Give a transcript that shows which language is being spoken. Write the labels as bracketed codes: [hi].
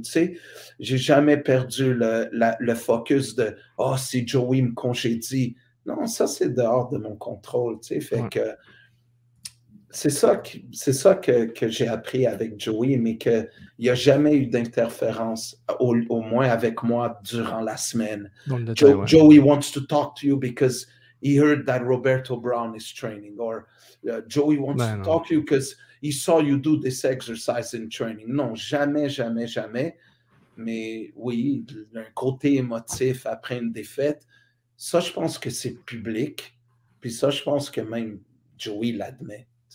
[fr] Tu sais, j'ai jamais perdu le focus de, oh, si Joey me congédie. Non, ça, c'est dehors de mon contrôle, tu sais, fait que c'est ça que j'ai appris avec Joey, mais qu'il n'y a jamais eu d'interférence, au moins avec moi, durant la semaine. [en] Joey wants to talk to you because he heard that Roberto Brown is training, or Joey wants to talk to you because he saw you do this exercise in training. [fr] Non, jamais, jamais, jamais. Mais oui, d'un côté émotif après une défaite, ça, je pense que c'est public. Puis ça, je pense que même Joey l'admet.